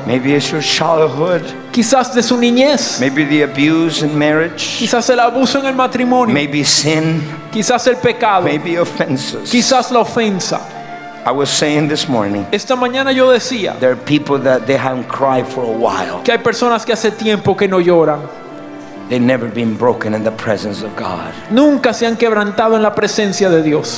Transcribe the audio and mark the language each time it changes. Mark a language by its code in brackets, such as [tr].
[en] Maybe it's your childhood. [es] Quizás de su niñez. [en] Maybe the abuse in marriage. [es] Quizás el abuso en el matrimonio. [en] Maybe sin. [es] Quizás el pecado. [en] Maybe offenses. [es] Quizás la ofensa. [en] I was saying this morning. [es] Esta mañana yo decía. [en] There are people that they haven't cried for a while. [es] Que hay personas que hace tiempo que no lloran. [en] They've never been broken in the presence of God. [es] Nunca se han quebrantado en la presencia de Dios.